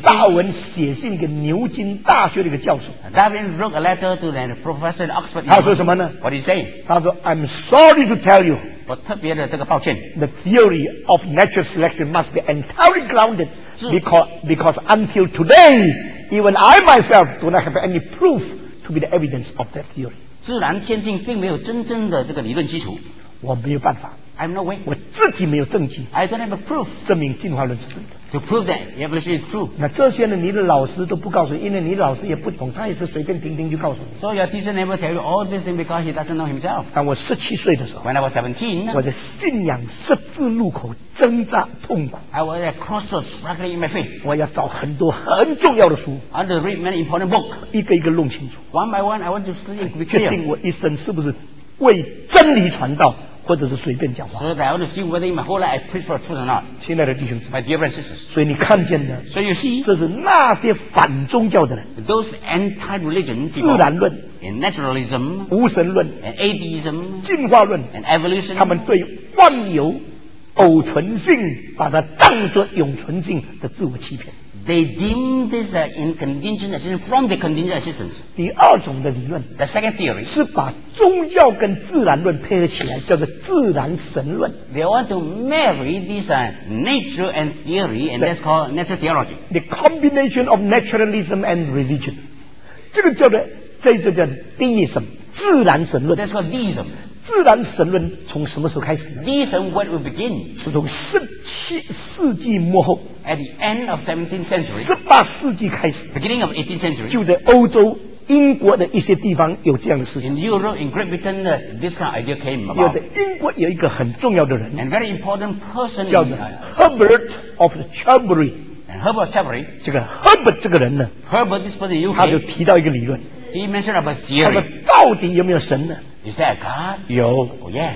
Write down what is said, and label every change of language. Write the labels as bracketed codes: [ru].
[zh] 达尔文写信给牛津大学的一个教授。 [en] Darwin wrote a letter to the professor at Oxford. [zh] 他说什么呢 [en] What did he say? [zh] 他说 [en] I'm sorry to tell you, [zh] 我特别的这个抱歉 [en] The theory of natural selection must be entirely grounded because until today, even I myself do not have any proof to be the evidence of that theory. [zh] 自然天性并没有真正的这个理论基础，我没有办法 [en] ，I'm no way， [zh] 我自己没有证据 [en] ，I don't have a proof， [zh] 证明进化论是真的 [en] ，to prove that evolution is true。 [zh] 那这些呢，你的老师都不告诉你，因为你的老师也不懂，他也是随便听听就告诉你。 [en] So your teacher never tell you all this thing because he doesn't know himself。 [zh] 当我17岁的时候 [en] ，When I was 17， [zh] 我在信仰十字路口挣扎痛苦 [en] ，I was at crossroads struggling in my faith。 [zh] 我要找很多很重要的书 [en] ，I want to read many important book， [zh] 一个一个弄清楚。 [en] One by one, I want to see if we can [zh] 确定我一生是不是为真理传道，或者是随便讲话。 [en] So that I want to see whether in my whole life I preach for truth or not. [zh] 亲爱的弟兄姊妹 [en] ，My dear brothers and sisters. [zh] 所以你看见的 [en] ，So you see， [zh] 这是那些反宗教的人 [en] ，Those anti-religion， [zh] 自然论 [en] ，And naturalism， [zh] 无神论 [en] ，And atheism， [zh] 进化论 [en] ，And evolution， [zh] 他们对万有偶存性把它当作永存性的自我欺骗。 [en] They deem this in contingent existence from the contingent existence. [zh] 第二种的理论 [en] The second theory [zh] 是把宗教跟自然论配合起来叫做自然神论 [en] They want to marry this nature and theory and that's called natural theology. The combination of naturalism and religion [zh] 这个叫做这个叫 [en] deism [zh] 自然神论 [en] That's called deism. [zh] 自然神论从什么时候开始 [en] Deism when we begin [zh] 是从17世纪末后 [en] At the end of 17th century, [zh] 18世纪开始 [en] beginning of 18th century, [zh] 就在欧洲英国的一些地方有这样的事情 [en] In Europe, in Great Britain, this kind of idea came about [zh] 就在英国有一个很重要的人 [en] And very important person [zh] 叫做 Herbert of Chambery [en] And Herbert of Chambery [zh] 这个 Herbert 这个人呢 [en] Herbert, this person in UK [zh] 他就提到一个理论 [en] He mentioned about theory [zh] 他们到底有没有神呢 [en] Is that God? [zh] 有 [en] Oh yes